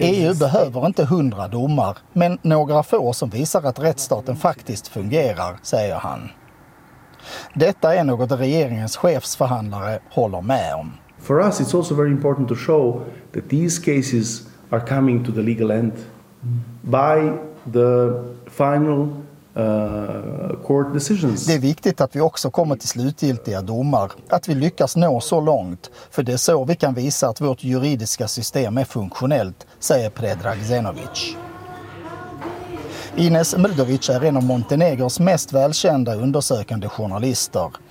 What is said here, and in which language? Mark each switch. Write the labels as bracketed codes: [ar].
[sv] EU behöver inte 100 domar, men några få som visar att rättsstaten faktiskt fungerar, säger han. Detta är något regeringens chefsförhandlare håller med om. [en] For us it's also very important to show that these cases are coming to the legal end by the final court decisions. [sv] Det är viktigt att vi också kommer till slutgiltiga domar, att vi lyckas nå så långt, för det är så vi kan visa att vårt juridiska system är funktionellt, säger Predrag Zenovic. Ines Mrdović är en av Montenegros mest välkända undersökande journalister.